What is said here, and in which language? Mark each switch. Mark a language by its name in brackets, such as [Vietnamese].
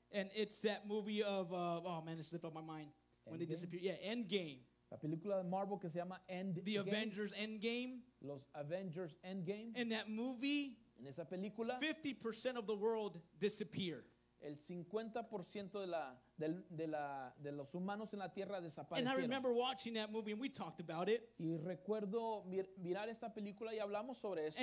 [English] And it's that movie of it slipped out my mind. Endgame? When they disappear. Yeah, Endgame. [Spanish] La película de Marvel que se llama Endgame. [English] The Avengers Endgame. [Spanish] Los Avengers Endgame. [English] In that movie, [Spanish] en esa película, [English] 50% of the world disappear. [Spanish] El 50% de los humanos en la tierra desaparecieron. [English] And I remember watching that movie and we talked about it. [Spanish] Y recuerdo mirar esta película y hablamos sobre esto.